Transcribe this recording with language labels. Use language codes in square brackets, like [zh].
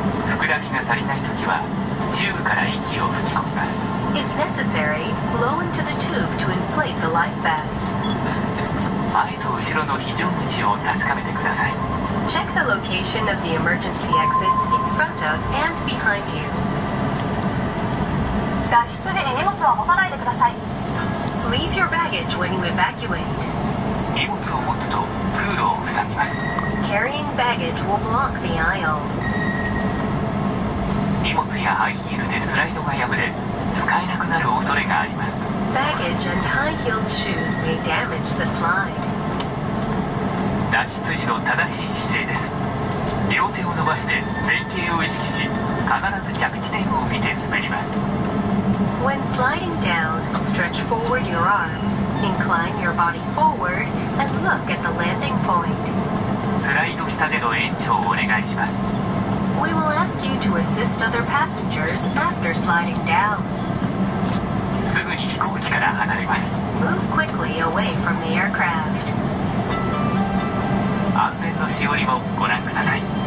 [ja] 膨らみが足りないときはチューブから息を吹き込みます。 [en] If necessary, blow into the tube to inflate the life vest. [ja] 前と後ろの非常口を確かめてください。 [en] Check the location of the emergency exits in front of and behind you. [ja] 脱出時に荷物は持たないでください。 [en] Leave your baggage when you evacuate. [ja] 荷物を持つと通路を塞ぎます。 [en] Carrying baggage will block the aisle. [ja] 荷物やハイヒールでスライドが破れ使えなくなる恐れがあります。 [en] Baggage and high-heeled shoes may damage the slide. [ja] 脱出時の正しい姿勢です。両手を伸ばして前傾を意識し必ず着地点を見て滑ります。 [en] When sliding down, stretch forward your armsIncline your body forward and look at the landing point. [ja] スライド下での延長をお願いします。 [en] We will ask you to assist other passengers after sliding down. [ja] すぐに飛行機から離れます。 [en] Move quickly away from the aircraft. [ja] 安全のしおりもご覧ください。